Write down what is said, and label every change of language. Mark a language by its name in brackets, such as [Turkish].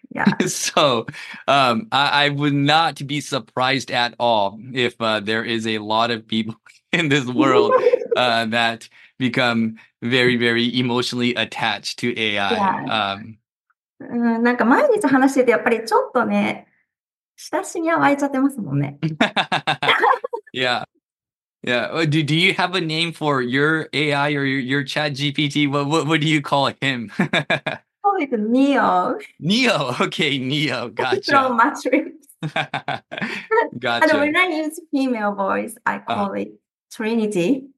[English] I would not be surprised at all if there is a lot of people in this world that become very, very emotionally attached to AI. Yeah. [Japanese] なんか毎日話しててやっぱりちょっとね、親しみは湧いちゃってますもんね。 [English] yeah. Yeah, do you have a name for your AI or your ChatGPT? What do you call him? そうcall it Neo. Neo, okay, Neo, gotcha. From Matrix. Gotcha. And when I use female voice, I call it Trinity.